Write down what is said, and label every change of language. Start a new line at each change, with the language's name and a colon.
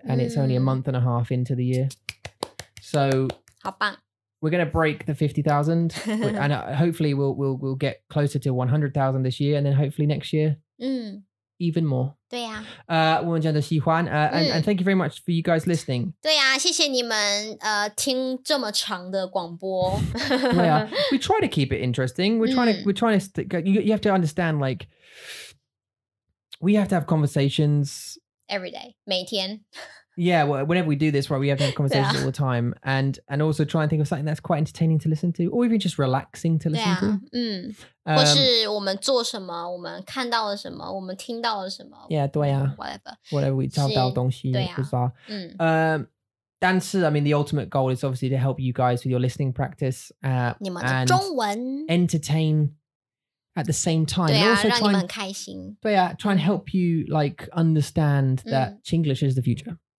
English: And it's only a month and a half into the year. So...
Chinese: 好棒
English: We're going to break the 50,000 and hopefully we'll get closer to 100,000 this year and then hopefully next year even more.
Chinese: 对啊我们真的喜欢
English: and thank you very much for you guys listening.
Chinese: 对啊谢谢你们听这么长的广播对啊
English: We try to keep it interesting. You have to understand like we have to have conversations every day,
Chinese: 每天
English: Yeah, well, whenever we do this, right, we have to have conversations all the time. And also try and think of something that's quite entertaining to listen to. Or even just relaxing to listen to.
Chinese: 或是我们做什么,我们看到了什么,我们听到了什么。
English: Yeah,
Chinese: 对啊。
English: Whatever we
Chinese: 找到东西,不知道。但是,
English: I mean, the ultimate goal is obviously to help you guys with your listening practice.
Chinese: 你们的中文。
English: Entertain at the same time.
Chinese: 对啊,
English: also
Chinese: 让你们开心。对啊,
English: try and help you, like, understand that Chinglish is the future.